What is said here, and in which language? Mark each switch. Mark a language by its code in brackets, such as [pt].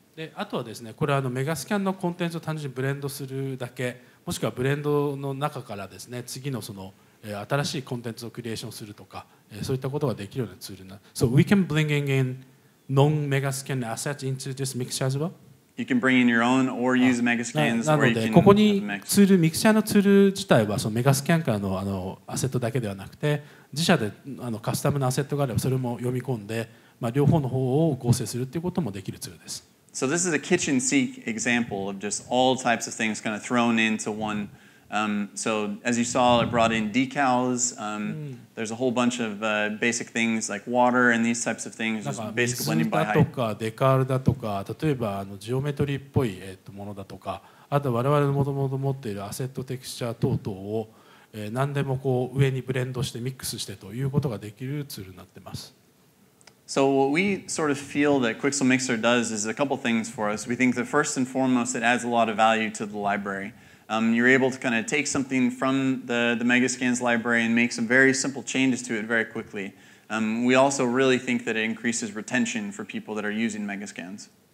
[ja] で、あとはですね、これはMegascansのコンテンツを単純にブレンドするだけ、もしくはブレンドの中からですね、次のその新しいコンテンツをクリエーションするとか、そういったことができるようなツールな。 [en] So we can bring in non-Megascans assets into this mixture as well? You can bring in your own or use Megascans or you can [ja] ここにツール、ミキシャーのツール自体はそのメガスキャンからの、あのアセットだけではなくて自社であのカスタムのアセットがあればそれも読み込んで、まあ、両方の方を合成するっていうこともできるツールです。 [en] So this is a kitchen sink example of just all types of things kind of thrown into one. So as you saw, I brought in decals. There's a whole bunch of basic things like water and these types of things. Basically blending by height. [ja] だとかデカールだとか、例えばあのジオメトリっぽいものだとか、あと我々のもともと持っているアセットテクスチャー等々を何でもこう上にブレンドしてミックスしてということができるツールになってます。 [en] So what we sort of feel that Quixel Mixer does is a couple things for us. We think the first and foremost, it adds a lot of value to the library. You're able to kind of take something from the Megascans library and make some very simple changes to it very quickly. We also really think that it increases retention for people that are using Megascans.